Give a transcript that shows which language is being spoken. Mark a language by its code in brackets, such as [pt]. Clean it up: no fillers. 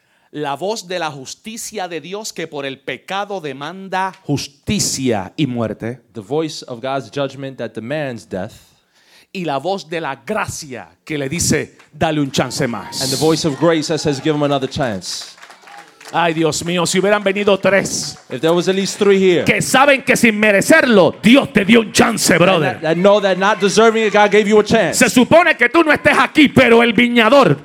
[es] La voz de la justicia de Dios que por el pecado demanda justicia y muerte. [en] The voice of God's judgment that demands death. [es] Y la voz de la gracia que le dice, dale un chance más. [en] And the voice of grace that says, give him another chance. [es] Ay, Dios mío, si hubieran venido tres. [en] If there was at least three here. [es] Que saben que sin merecerlo, Dios te dio un chance, brother. [en] That know that not deserving it, God gave you a chance. [es] Se supone que tú no estés aquí, pero el viñador,